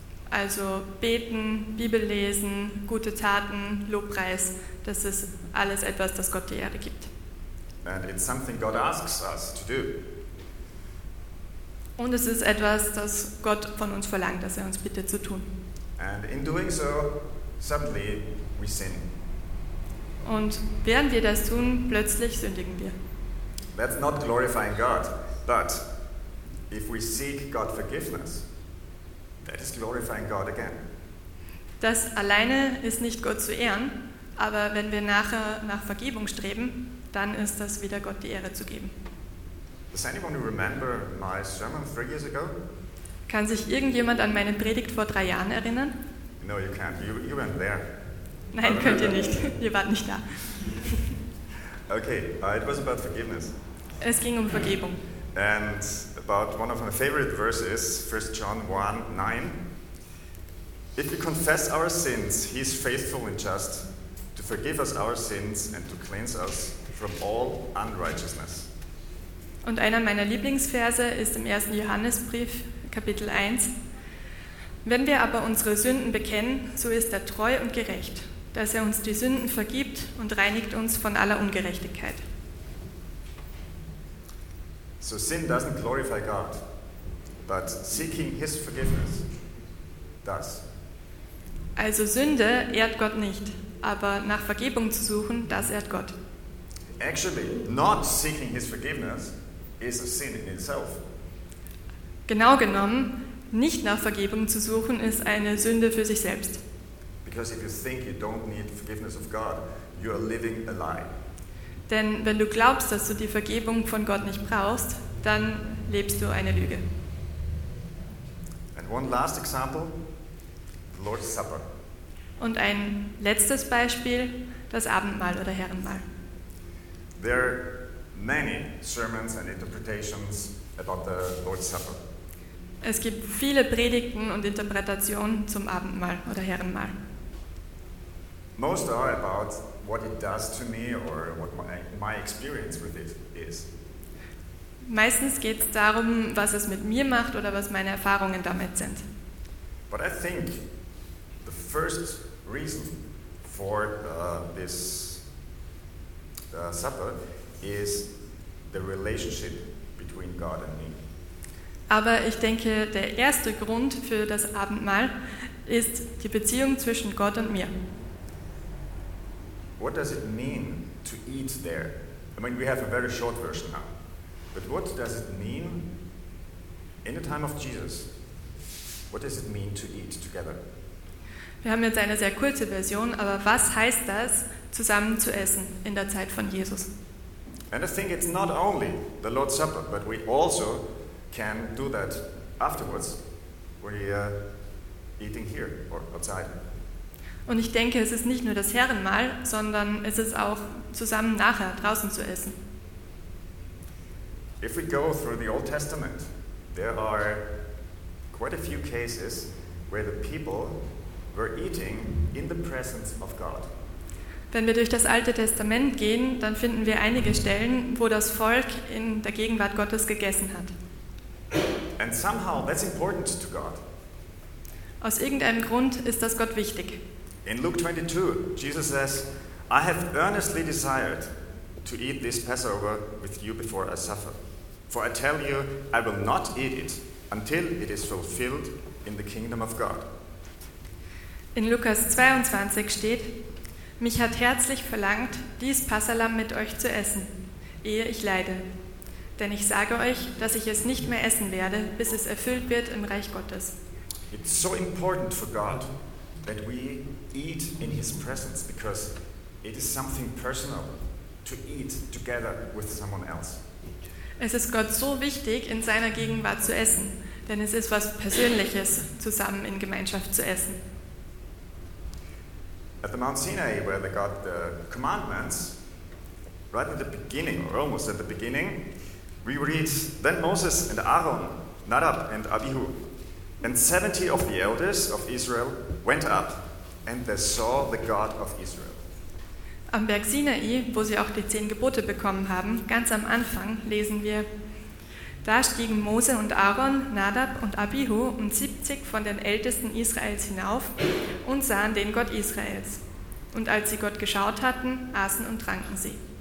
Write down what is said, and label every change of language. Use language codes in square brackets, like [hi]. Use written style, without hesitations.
[de] Also beten, Bibel lesen, gute Taten, Lobpreis, das ist alles etwas, das Gott die Ehre gibt. [en] And it's something God asks us to do. [de] Und es ist etwas, das Gott von uns verlangt, dass er uns bittet zu tun. [en] And in doing so, suddenly we sin. [de] Und während wir das tun, plötzlich sündigen wir. [en] That's not glorifying God, but if we seek God's forgiveness, that is glorifying God again. [de] Das alleine ist nicht Gott zu ehren, aber wenn wir nachher nach Vergebung streben, dann ist das wieder Gott die Ehre zu geben. [en] Does anyone remember my sermon 3 years ago? [de] Kann sich irgendjemand an meine Predigt vor 3 Jahren erinnern? [en] No, you can't. You weren't there. [de] Nein, könnt ihr nicht. Ihr wart nicht da. [en] Okay, it was about forgiveness. [de] Es ging um Vergebung. [en] And about one of my favorite verses, 1 John 1, 9. If we confess our sins, he is faithful and just to forgive us our sins and to cleanse us from all unrighteousness. [de] Und einer meiner Lieblingsverse ist im 1. Johannesbrief, Kapitel 1. Wenn wir aber unsere Sünden bekennen, so ist er treu und gerecht, dass er uns die Sünden vergibt und reinigt uns von aller Ungerechtigkeit. [en] So sin doesn't glorify God, but seeking his forgiveness does. [de] Also Sünde ehrt Gott nicht, aber nach Vergebung zu suchen, das ehrt Gott. [en] Actually, not seeking his forgiveness is a sin in itself. [de] Genau genommen, nicht nach Vergebung zu suchen, ist eine Sünde für sich selbst. [en] Because if you think you don't need forgiveness of God, you are living a lie. [de] Denn wenn du glaubst, dass du die Vergebung von Gott nicht brauchst, dann lebst du eine Lüge. [en] And one last example, the Lord's Supper. [de] Und ein letztes Beispiel, das Abendmahl oder Herrenmahl. [en] There are many sermons and interpretations about the Lord's Supper. [de] Es gibt viele Predigten und Interpretationen zum Abendmahl oder Herrenmahl. [en] Most are about what it does to me or what my experience with it is. [de] Meistens geht es darum, was es mit mir macht oder was meine Erfahrungen damit sind. [en] But I think the first reason for this supper is the relationship between God and me. [de] Aber ich denke, der erste Grund für das Abendmahl ist die Beziehung zwischen Gott und mir. [en] What does it mean to eat there? I mean, we have a very short version now. But what does it mean in the time of Jesus? What does it mean to eat together? [de] Wir haben jetzt eine sehr kurze Version, aber was heißt das, zusammen zu essen in der Zeit von Jesus? [en] And I think it's not only the Lord's Supper, but we also can do that afterwards when we are eating here or outside. [de] Und ich denke, es ist nicht nur das Herrenmahl, sondern es ist auch zusammen nachher draußen zu essen. [en] If we go through the Old Testament, there are quite a few cases where the people were eating in the presence of God. [de] Wenn wir durch das Alte Testament gehen, dann finden wir einige Stellen, wo das Volk in der Gegenwart Gottes gegessen hat. [en] And somehow that's important to God. [de] Aus irgendeinem Grund ist das Gott wichtig. [en] In Luke 22, Jesus says, I have earnestly desired to eat this Passover with you before I suffer. For I tell you, I will not eat it until it is fulfilled in the kingdom of God. [de] In Lukas 22 steht, mich hat herzlich verlangt, dies Passalam mit euch zu essen, ehe ich leide. Denn ich sage euch, dass ich es nicht mehr essen werde, bis es erfüllt wird im Reich Gottes. [en] It's so important for God that we eat in his presence, because it is something personal to eat together with someone else. [de] Es ist Gott so wichtig, in seiner Gegenwart zu essen, denn es ist was Persönliches, zusammen in Gemeinschaft zu essen. [en] At the Mount Sinai, where they got the commandments, right at the beginning, or almost at the beginning, we read, then Moses and Aaron, Nadab and Abihu, and 70 of the elders of Israel went up, and they saw the God of Israel. [de] Am Berg Sinai, wo sie auch die 10 Gebote bekommen haben, ganz am Anfang lesen wir, da stiegen Mose und Aaron, Nadab und Abihu und 70 von den Ältesten Israels hinauf und sahen den Gott Israels. Und als sie Gott geschaut hatten, aßen und tranken sie.